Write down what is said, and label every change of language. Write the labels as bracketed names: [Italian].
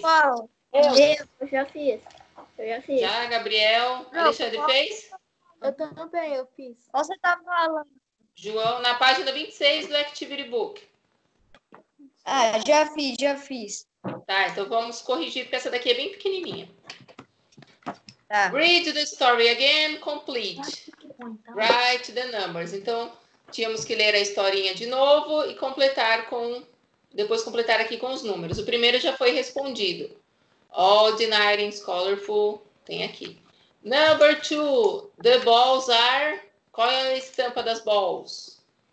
[Portuguese] Qual? Eu já fiz. Eu já fiz. Já, Gabriel. Não, Alexandre fez? Eu também, eu fiz. Você tá falando. João, na página 26 do Activity Book. Ah, já fiz, já fiz. Tá, então vamos corrigir, porque essa daqui é bem pequenininha. Tá. [English] Read the story again, complete. Write the numbers. [Portuguese] Então, tínhamos que ler a historinha de novo e completar com... Depois completar aqui com os números. O primeiro já foi respondido. [English] Ordinary and colorful, [Portuguese] tem aqui. [English] Number two, the balls are... [Portuguese] Qual é a estampa das balls?